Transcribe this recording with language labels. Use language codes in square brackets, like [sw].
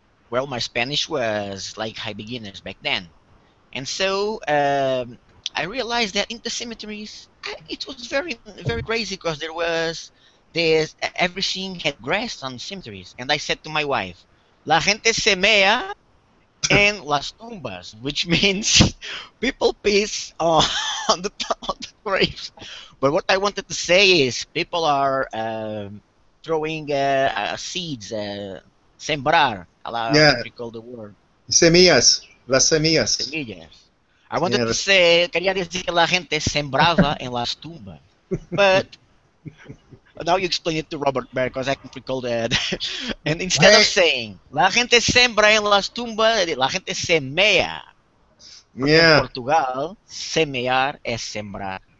[en] Well, my Spanish was like high beginners back then, and so I realized that in the cemeteries it was very very crazy because there was this everything had grass on cemeteries, and I said to my wife, [es] "La gente se mea en las tumbas," [en] which means people piss on the graves. But what I wanted to say is people are throwing seeds, sembrar, how you call the word. [es] Semillas, las semillas. Semillas. [en] I wanted to say, [es] quería decir que la gente sembraba en las tumbas. [en] But now you explain it to Robert Bear because I can recall that. And instead of saying, [es] la gente sembra en las tumbas, la gente semea. [en] Yeah. In Portugal, [es] semear es sembrar.